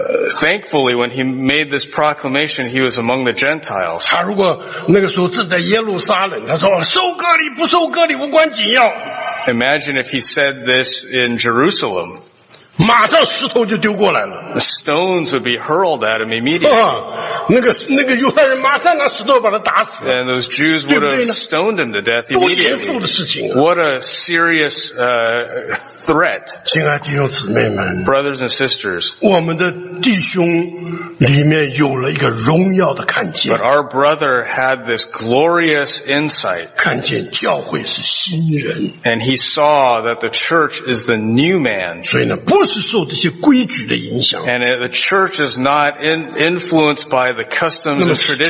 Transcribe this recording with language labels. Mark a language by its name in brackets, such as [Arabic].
[English] Thankfully, when he made this proclamation, he was among the Gentiles. [Chinese] 他如果那个时候正在耶路撒冷，他说受割礼不受割礼无关紧要。 [English] Imagine if he said this in Jerusalem. [Chinese] 马上石头就丢过来了。 [English] Stones would be hurled at him immediately. [Chinese] 那个犹太人马上拿石头把他打死。 [English] And those Jews would have stoned him to death immediately. What a serious, threat. [Chinese] 亲爱弟兄姊妹们。 [English] Brothers and sisters. [Chinese] 我们的弟兄里面有了一个荣耀的看见。 [English] But our brother had this glorious insight. [Chinese] 看见教会是新人。 [English] And he saw that the church is the new man. [Chinese] 所以呢不是受这些规矩的影响。 [English] And the church is not influenced by the customs and traditions.